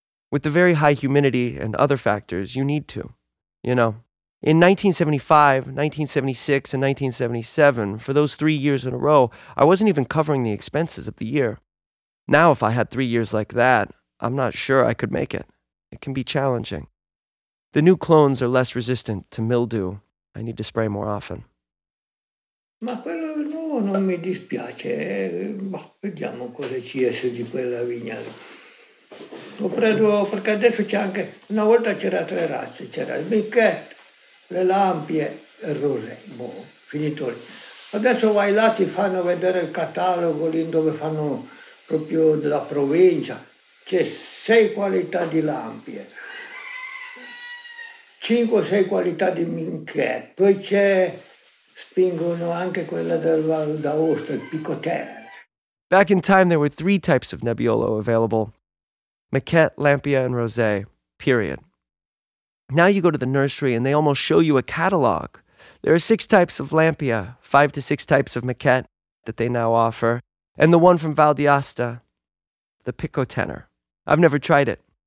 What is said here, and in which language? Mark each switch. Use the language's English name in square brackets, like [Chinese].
[English] With the very high humidity and other factors, you need to. You know, in 1975, 1976, and 1977, for those 3 years in a row, I wasn't even covering the expenses of the year. Now, if I had 3 years like that, I'm not sure I could make it. It can be challenging. The new clones are less resistant to mildew. I need to spray more often. [Italian] Ma quello nuovo non mi dispiace. Vediamo cosa ci esce di quella vigna. L'ho preso perché adesso c'è anche... Una volta c'era tre razze. C'era il Michetto, le Lampie e il Rosé. Boh, finito lì. Adesso vai là, ti fanno vedere il catalogo lì dove fanno... Proprio della provincia c'è 6 qualità di Lampie, 5-6 qualità di Minchette, poi c'è, spingono anche quella del Val d'Aosta, il Picotère. [English] Back in time there were 3 types of Nebbiolo available: Minchette, Lampia, and Rosé, period. Now you go to the nursery and they almost show you a catalog. There are 6 types of Lampia, 5 to 6 types of Minchette that they now offer. And the one from Val d'Aosta, the Picotenor. I've never tried it.